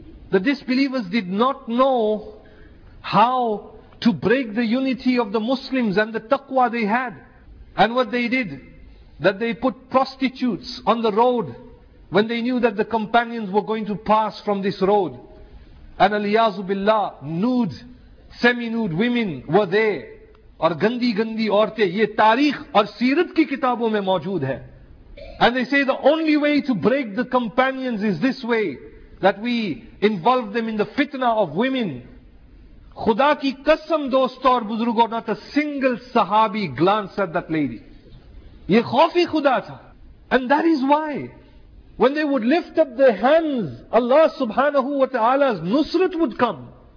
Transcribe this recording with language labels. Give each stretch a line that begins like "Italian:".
English: The disbelievers did not know how to break the unity of the Muslims and the taqwa they had. And what they did, that they put prostitutes on the road when they knew that the companions were going to pass from this road. And aliyazu billah, nude, semi-nude women were there.
Urdu: اور گندی گندی عورتیں, یہ تاریخ اور سیرت کی کتابوں میں موجود ہے.
English: And they say the only way to break the companions is this way, that we involve them in the fitna of women.
Urdu: Khuda ki qasam dosto aur buzurgo,
English: not a single sahabi glanced at that lady.
Urdu: Ye khaufi khuda tha.
English: And that is why, when they would lift up their hands, Allah subhanahu wa ta'ala's nusrat would come.